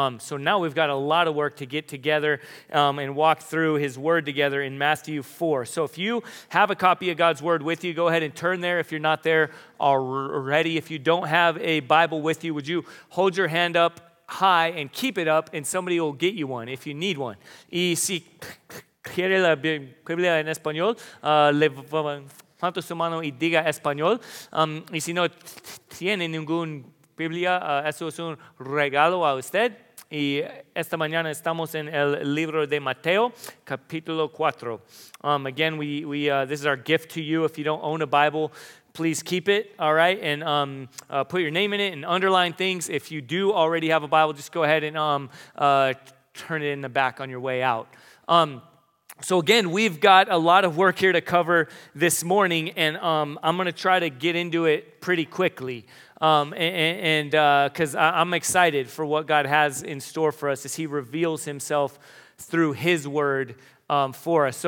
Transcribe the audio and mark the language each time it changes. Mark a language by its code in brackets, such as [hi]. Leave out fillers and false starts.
[en] So now we've got a lot of work to get together and walk through His Word together in Matthew 4. So if you have a copy of God's Word with you, go ahead and turn there. If you're not there already, if you don't have a Bible with you, would you hold your hand up high and keep it up, and somebody will get you one if you need one. [es] Y si quiere la Biblia en español, levanta su mano y diga español. Y si no tiene ninguna Biblia, eso es un regalo a usted. Y esta mañana estamos en el libro de Mateo, capítulo 4. [en] Again, this is our gift to you. If you don't own a Bible, please keep it, all right? And put your name in it and underline things. If you do already have a Bible, just go ahead and turn it in the back on your way out. So again, we've got a lot of work here to cover this morning, and I'm going to try to get into it pretty quickly, because I'm excited for what God has in store for us as He reveals Himself through His Word for us.